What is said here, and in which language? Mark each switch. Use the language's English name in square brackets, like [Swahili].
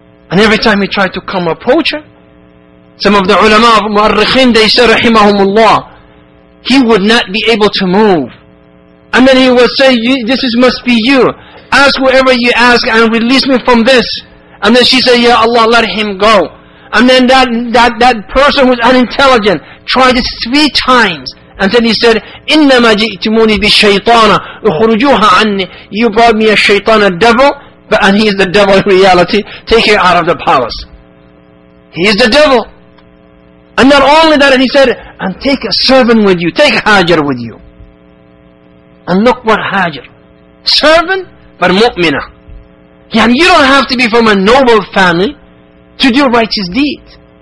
[English] And every time he tried to come approach her, some of the ulama of Mu'arrikhin, they said, rahimahumullah, he would not be able to move. And then he would say, this is must be you. Ask whoever you ask and release me from this. And then she said, ya Allah, let him go. And then that person was unintelligent, tried it 3 times. And then he said, [Arabic] إِنَّمَا جِئْتِمُونِ بِالشَّيْطَانَ اُخْرُجُوهَا عَنِّي. [English] You brought me a shaitan, a devil, but and he is the devil in reality. Take her out of the palace. He is the devil. And not only that, and he said, and take a servant with you, take Hajar with you. And look what Hajar. Servant, but mu'mina. Yeah, you don't have to be from a noble family to do righteous deeds.